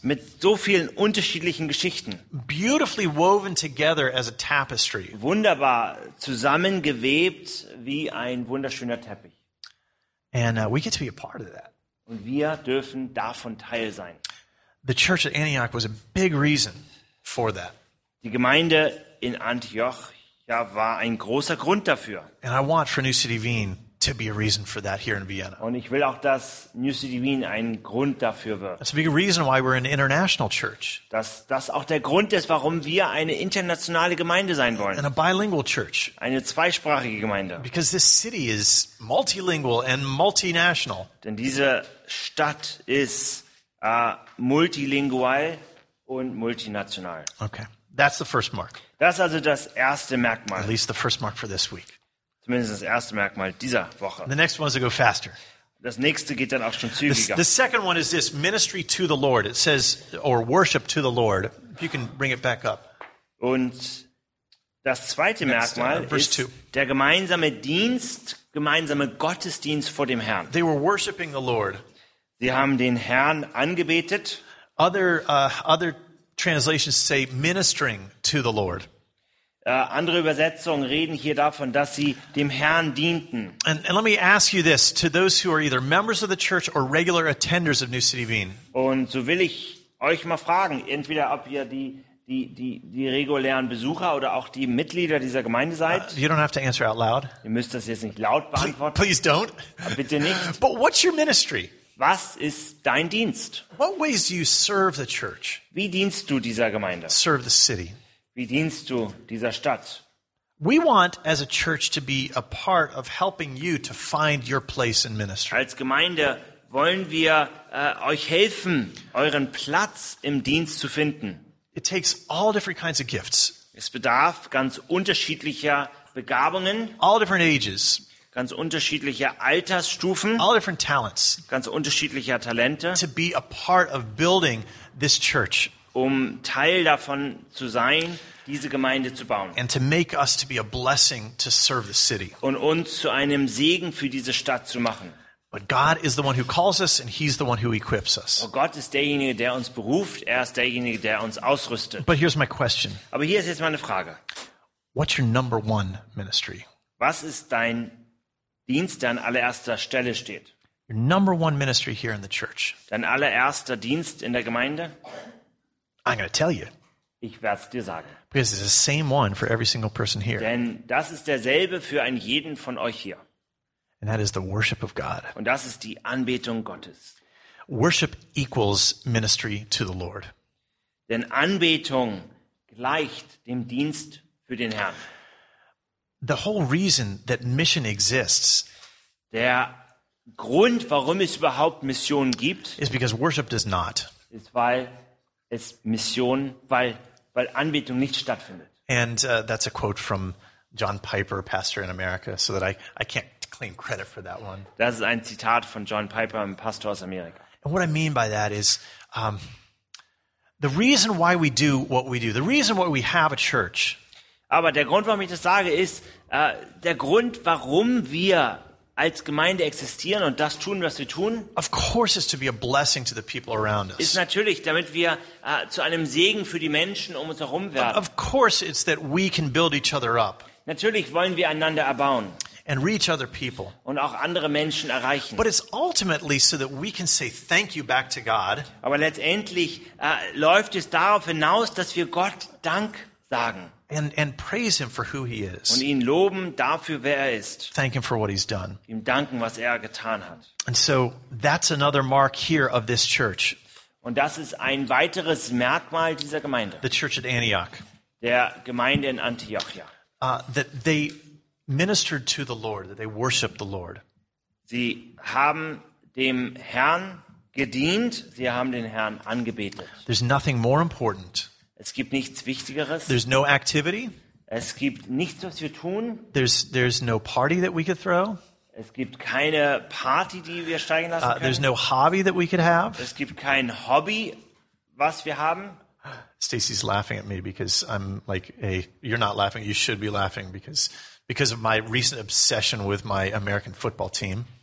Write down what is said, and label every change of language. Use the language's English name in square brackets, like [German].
[German] Mit so vielen unterschiedlichen Geschichten. [English] Beautifully woven together as a tapestry. [German] Wunderbar zusammengewebt wie ein wunderschöner Teppich. [English] And we get to be a part of that. [German] Und wir dürfen davon Teil sein. [English] The church at Antioch was a big reason for that. [German] Die Gemeinde in Antioch, ja, war ein großer Grund dafür. [English] And I want for New City Wien to be a reason for that here in Vienna. [German] Und ich will auch, dass New City Wien ein Grund dafür wird. [English] That's a big reason why we're an international church. [German] Dass auch der Grund ist, warum wir eine internationale Gemeinde sein wollen. [English] And a bilingual church. [German] Eine zweisprachige Gemeinde. [English] Because this city is multilingual and multinational. [German] Denn diese Stadt ist multilingual und multinational. [English] Okay. That's the first mark. [German] Das ist also das erste Merkmal. [English] At least the first mark for this week. [German] Zumindest das erste Merkmal dieser Woche. [English] The next one is to go faster. [German] Das nächste geht dann auch schon zügiger. [English] The second one is this ministry to the Lord. It says or worship to the Lord. If you can bring it back up. [German] Und das zweite Merkmal ist der gemeinsame Dienst, gemeinsame Gottesdienst vor dem Herrn. [English] They were worshiping the Lord. [German] Sie haben den Herrn angebetet. [English] Other translations say ministering to the Lord. [German] Andere Übersetzungen reden hier davon, dass sie dem Herrn dienten. [English] And let me ask you this, to those who are either members of the church or regular attenders of New City Wien. [German] Und so will ich euch mal fragen, entweder ob ihr die regulären Besucher oder auch die Mitglieder dieser Gemeinde seid. [English] You don't have to answer out loud. [German] Ihr müsst das jetzt nicht laut beantworten. [English] Please don't. [German] Bitte nicht. [English] But what's your ministry? [German] Was ist dein Dienst? [English] What ways do you serve the church? [German] Wie dienst du dieser Gemeinde? [English] Serve the city. [German] Wie dienst du dieser Stadt? [English] We want as a church to be a part of helping you to find your place in ministry. [German] Als Gemeinde wollen wir euch helfen, euren Platz im Dienst zu finden. [English] It takes all different kinds of gifts. [German] Es bedarf ganz unterschiedlicher Begabungen. [English] All different ages. [German] Ganz unterschiedlicher Altersstufen. [English] All different talents. [German] Ganz unterschiedlicher Talente. [English] To be a part of building this church. [German] Um Teil davon zu sein, diese Gemeinde zu bauen. [English] And to make us to be a blessing to serve the city. [German] Und uns zu einem Segen für diese Stadt zu machen. [English] But God is the one who calls us and he's the one who equips us. [German] Oh, Gott ist derjenige, der uns beruft, er ist derjenige, der uns ausrüstet. [English] But here's my question. [German] Aber hier ist jetzt meine Frage. [English] What's your number one ministry? [German] Was ist dein Dienst, der an allererster Stelle steht? [English] Your number one ministry here in the church. [German] Dein allererster Dienst in der Gemeinde? [English] I'm going to tell you. [German] Ich werde es dir sagen. [English] Because it's the same one for every single person here. [German] Denn das ist derselbe für einen jeden von euch hier. [English] And that is the worship of God. [German] Und das ist die Anbetung Gottes. [English] Worship equals ministry to the Lord. [German] Denn Anbetung gleicht dem Dienst für den Herrn. [English] The whole reason that mission exists. [German] Der Grund, warum es überhaupt Mission gibt, [English] is because worship does not. [German] Ist weil es Mission, weil Anbetung nicht stattfindet. [English] And that's a quote from John Piper, pastor in America, so that I can't claim credit for that one. [German] Das ist ein Zitat von John Piper, einem Pastor aus Amerika. [English] And what I mean by that is the reason why we do what we do, the reason why we have a church. [German] Aber der Grund, warum ich das sage, ist der Grund, warum wir als Gemeinde existieren und das tun, was wir tun. [English] Of course is to be a blessing to the people around us. [German] Ist natürlich, damit wir zu einem Segen für die Menschen um uns herum werden. [English] Of course it's that we can build each other up. [German] Natürlich wollen wir einander erbauen. [English] And reach other people. [German] Und auch andere Menschen erreichen. [English] But it's ultimately so that we can say thank you back to God. [German] Aber letztendlich läuft es darauf hinaus, dass wir Gott Dank sagen. [English] And praise him for who he is. [German] Und ihn loben dafür, wer er ist. [English] Thank him for what he's done. [German] Ihm danken, was er getan hat. [English] And so that's another mark here of this church. [German] Und das ist ein weiteres Merkmal dieser Gemeinde. [English] The church at Antioch. [German] Der Gemeinde in Antiochia. [English] That they ministered to the Lord, that they worshiped the Lord. [German] Sie haben dem Herrn gedient, sie haben den Herrn angebetet. [English] There's nothing more important. [German] Es gibt nichts Wichtigeres. [English] There's no activity. [German] Es gibt nichts, was wir tun. [English] There's no party that we could throw. [German] Es gibt keine Party, die wir steigen lassen können. [English] There's no hobby that we could have. [German] Es gibt kein Hobby, was wir haben. [English] Stacy's laughing at me because I'm like, hey, you're not laughing, you should be laughing because of my recent obsession with my American football team.